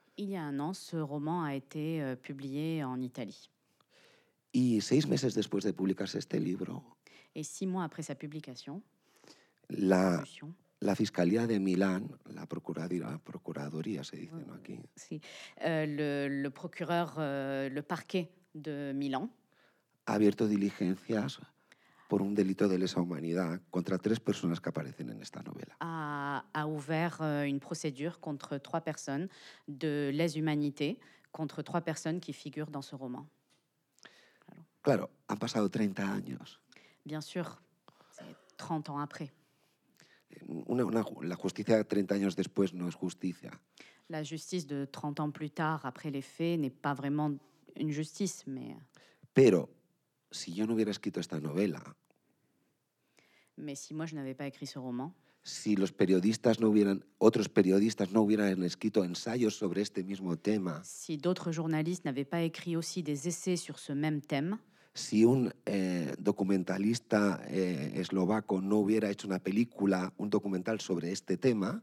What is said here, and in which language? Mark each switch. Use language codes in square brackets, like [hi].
[fr] Il y a un an, ce roman a été publié en Italie. [es] Y seis meses después de publicarse este libro. [fr] Et six mois après sa publication. [es] La Fiscalía de Milán, la procuraduría, se dice, ¿no? Aquí. Sí. [fr] Le procureur, le parquet de Milán. [es] Ha abierto diligencias por un delito de lesa humanidad contra tres personas que aparecen en esta novela. [fr] Ha ouvert une procédure contre trois personnes de lesa humanité contre trois personnes qui figurent dans ce roman. [es] Claro, han pasado 30 años. [fr] Bien sûr, c'est 30 ans après. [es] La justicia 30 años después no es justicia. La justicia de 30 años [fr] plus tard, après les faits, n'est pas vraiment une justice. Mais... [es] Pero si yo no hubiera escrito esta novela. [fr] Mais si moi je n'avais pas écrit ce roman. [es] Si los periodistas no hubieran, otros periodistas no hubieran escrito ensayos sobre este mismo tema. [fr] Si d'autres journalistes n'avaient pas écrit aussi des essais sur ce même thème. [es] si un documentalista eslovaco no hubiera hecho una película, un documental sobre este tema.